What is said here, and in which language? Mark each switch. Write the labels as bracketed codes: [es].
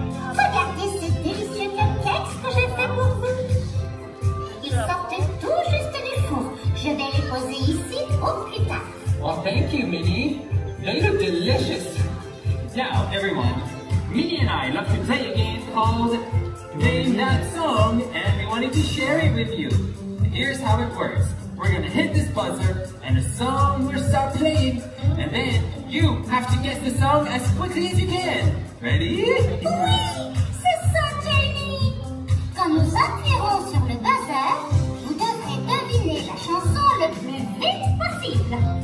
[fr] Regardez ce délicieux cupcake que j'ai fait pour vous. Ils sortent tout juste du four. Je vais les poser ici au plus tard. [en] Well, thank you, Minnie. They look delicious. Now, everyone, Minnie and I love to play a game called Name That Song, and we wanted to share it with you. Here's how it works. We're going to hit this buzzer, and a song will start playing, and then you have to guess the song as quickly as you can. Ready? [fr] Oui, c'est ça, Jamie. Quand nous appuyerons sur le buzzer, vous devrez deviner la chanson le plus vite possible.